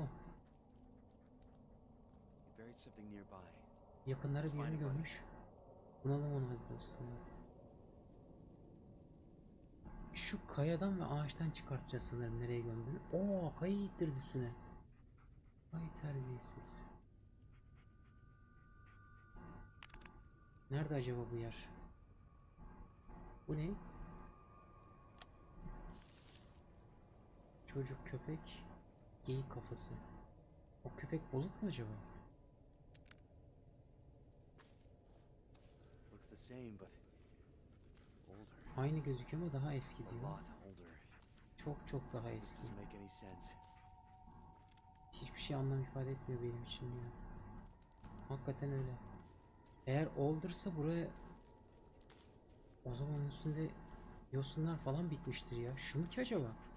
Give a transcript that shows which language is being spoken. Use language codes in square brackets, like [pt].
[en] He buried something nearby. [tr] Yakınları bir yerini görmüş. Bunalım onu hadi dostum. Şu kayadan ve ağaçtan çıkartacağız sanırım nereye gömdüğünü. Ooo, kayayı ittirdi üstüne. Ay terbiyesiz. Nerede acaba bu yer? Bu ne? Çocuk, köpek, geyik kafası. O köpek bulut mu acaba? [en] Looks the same but older. [tr] Aynı gözüküyor ama daha eski diyor. Çok çok daha eski. Hiçbir şey anlam ifade etmiyor benim için ya. Hakikaten öyle. Eğer older'sa buraya, o zaman üstünde yosunlar falan bitmiştir ya. Şu mu ki acaba?